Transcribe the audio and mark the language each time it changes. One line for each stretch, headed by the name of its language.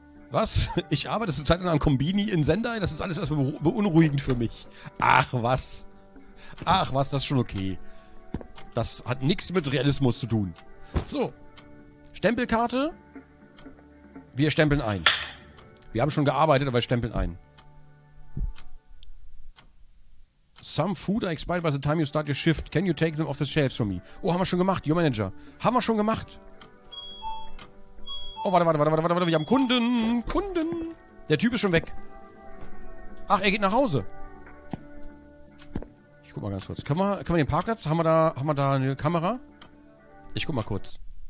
German: Was? Ich arbeite zurzeit an einem Kombini in Sendai? Das ist alles erstmal beunruhigend für mich. Ach, was? Ach, was? Das ist schon okay. Das hat nichts mit Realismus zu tun. So. Stempelkarte. Wir stempeln ein. Wir haben schon gearbeitet, aber wir stempeln ein.
English: Some food are expired by the time you start your shift. Can you take them off the shelves for me?
German: Oh, haben wir schon gemacht,
English: your manager.
German: Haben wir schon gemacht. Oh, warte. Wir haben Kunden. Der Typ ist schon weg. Ach, er geht nach Hause. Ich guck mal ganz kurz. Können wir den Parkplatz? Haben wir da eine Kamera? Ich guck mal kurz.